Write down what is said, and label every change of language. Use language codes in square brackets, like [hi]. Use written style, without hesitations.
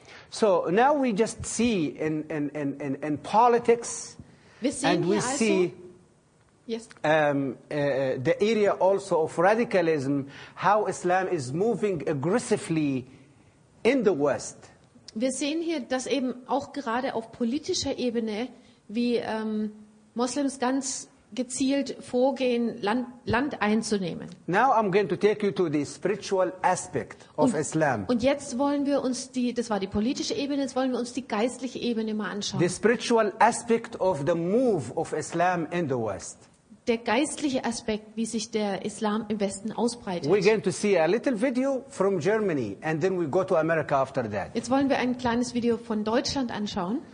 [en] So now we just see in politics, and we also see the area also of radicalism, how Islam is moving aggressively in the West. [de] Wir sehen hier, dass eben auch gerade auf politischer Ebene, wie Moslems ganz gezielt vorgehen, Land einzunehmen. [en] Now I'm going to take you to the spiritual aspect of Islam. [de] Und jetzt wollen wir uns das war die politische Ebene, jetzt wollen wir uns die geistliche Ebene mal anschauen. [en] The spiritual aspect of the move of Islam in the West. [de] der geistliche Aspekt, wie sich der Islam im Westen ausbreitet. [en] We're going to see a little video from Germany and then we go to America after that. [de] Jetzt wollen wir ein kleines Video von Deutschland anschauen.